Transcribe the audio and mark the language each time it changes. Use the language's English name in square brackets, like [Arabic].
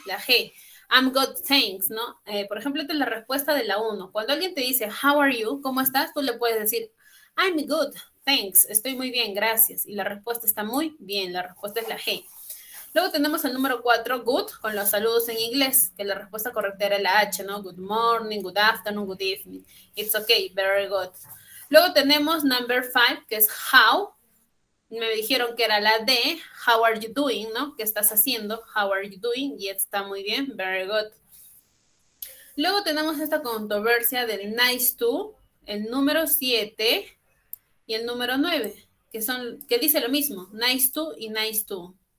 [Spanish] La G, [English] I'm good, thanks, [Spanish] ¿no? Por ejemplo, esta es la respuesta de la 1, cuando alguien te dice [English] how are you, [Spanish] ¿cómo estás? Tú le puedes decir [English] I'm good, thanks, [Spanish] estoy muy bien, gracias. Y la respuesta está muy bien, la respuesta es la G. Luego tenemos el número 4, good, con los saludos en inglés, que la respuesta correcta era la H, ¿no? [English] Good morning, good afternoon, good evening. It's okay, very good. [Spanish] Luego tenemos [English] number 5, [Spanish] que es how. Me dijeron que era la D, [English] how are you doing, [Spanish] ¿no? ¿Qué estás haciendo? [English] How are you doing? [Spanish] Y está muy bien, [English] very good. [Spanish] Luego tenemos esta controversia del nice to, el número 7 y el número 9, que son, que dice lo mismo, nice to y nice to.